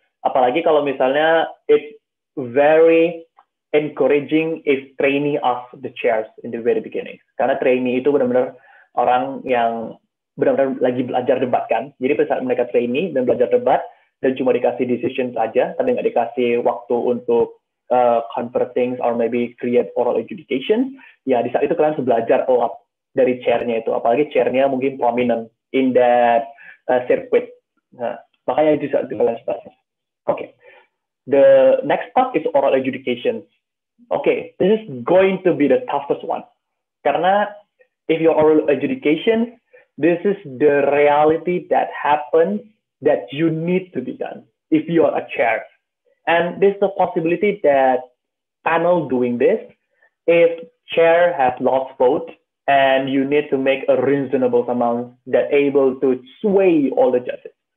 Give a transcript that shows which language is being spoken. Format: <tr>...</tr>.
<id>Apalagi kalau misalnya</id> <en>it's very encouraging if trainee of the chairs in the very beginning.</en> <id>Karena trainee itu benar-benar orang yang benar-benar lagi belajar debat kan. Jadi pada saat mereka trainee dan belajar debat, dan cuma dikasih decision saja, tapi nggak dikasih waktu untuk</id> <en>converting or maybe create oral adjudication,</en> <id>ya di saat itu kalian harus belajar</id> <en>a lot</en> <id>dari chair-nya itu. Apalagi chair-nya mungkin</id> <en>prominent in that circuit.</en> <id>Nah, makanya itu saat itu kalian harus belajar.</id> <en>Okay. The next part is oral adjudication. Okay, this is going to be the toughest one. Karena if your oral adjudication, this is the reality that happens that you need to be done if you are a chair. And this is the possibility that panel doing this, if chair has lost vote and you need to make a reasonable amount that able to sway all the judges.</en>